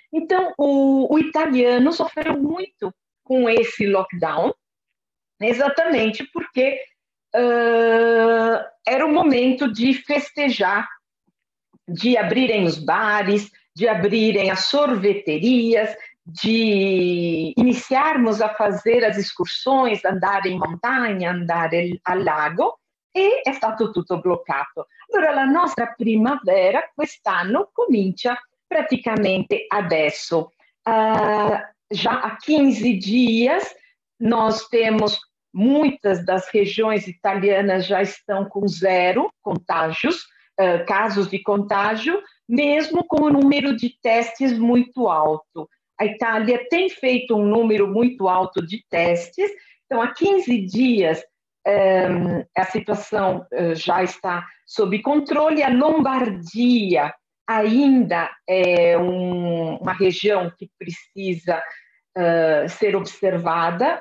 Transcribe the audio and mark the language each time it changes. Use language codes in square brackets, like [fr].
[pt] Então, o italiano sofreu muito com esse lockdown, exatamente porque era o momento de festejar, de abrirem os bares, de abrirem as sorveterias, de iniciarmos a fazer as excursões, andar em montanha, andar a lago, e [it] è stato tutto bloccato. Allora la nostra primavera quest'anno comincia praticamente adesso. [pt] Já há 15 dias, nós temos muitas das regiões italianas já estão com zero contágios, casos de contágio, mesmo com o número de testes muito alto. A Itália tem feito um número muito alto de testes, então há 15 dias a situação já está sob controle. A Lombardia ainda é uma região que precisa ser observada.